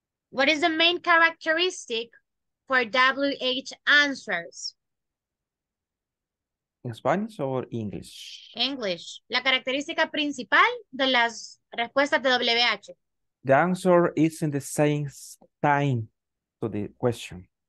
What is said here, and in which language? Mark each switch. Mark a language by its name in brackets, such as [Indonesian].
[English] What is the main characteristic for WH answers? In Spanish or English? English. [Spanish] La característica principal de las respuestas de WH. [English] The answer is in the same time to the question.